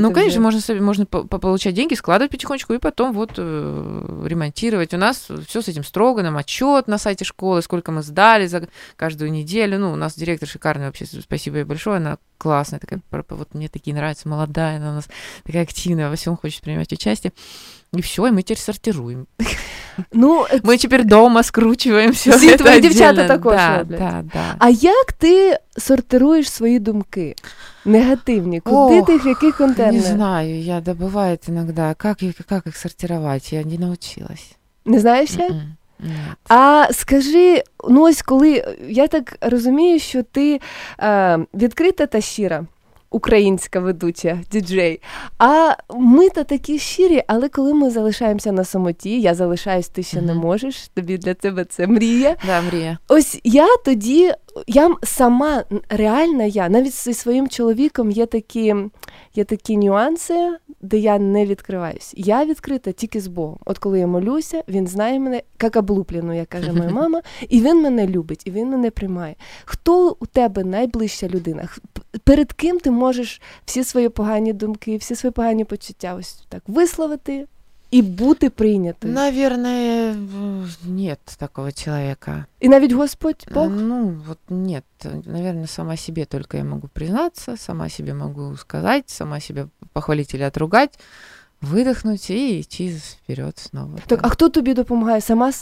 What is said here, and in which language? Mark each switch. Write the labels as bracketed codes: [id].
[ru] Ну, конечно, можно себе, можно получать деньги, складывать потихонечку, и потом вот ремонтировать. У нас все с этим строго, нам отчет на сайте школы, сколько мы сдали за каждую неделю. Ну, у нас директор шикарный вообще, спасибо ей большое, она классная, такая, вот мне такие нравятся, молодая, она у нас такая активная, во всем хочет принимать участие. И все, и мы теперь сортируем. Ну, мы теперь дома скручиваем все. Все твои девчата такое. Да, да, да. [uk] А як ти сортируєш свої думки негативні? Куди ти, в який контейнер? Не знаю, я добуваю іноді. Як їх сортувати? Я не навчилась. Не знаєш як? [ru] Нет. [uk] А скажи, ну ось коли, я так розумію, що ти відкрита та щира, українська ведуча, діджей, а ми-то такі щирі, але коли ми залишаємося на самоті, я залишаюсь, ти ще не можеш, тобі для тебе це мрія. Да, мрія. Ось я тоді, я сама, реально я, навіть зі своїм чоловіком є такі нюанси, де я не відкриваюсь. Я відкрита тільки з Богом. От коли я молюся, він знає мене, як облуплену, як каже моя мама, і він мене любить, і він мене приймає. Хто у тебе найближча людина? Перед ким ти можеш всі свої погані думки, всі свої погані почуття ось так висловити і бути прийнятою? [ru] Наверное, нет такого человека. [uk] І навіть Господь Бог? [ru] Ну, от нет. Наверное, сама себе только я могу признаться, сама себе могу сказать, сама себе похвалить или отругать, выдохнуть и идти вперед снова. Так, да. А кто тебе допомагает? Сама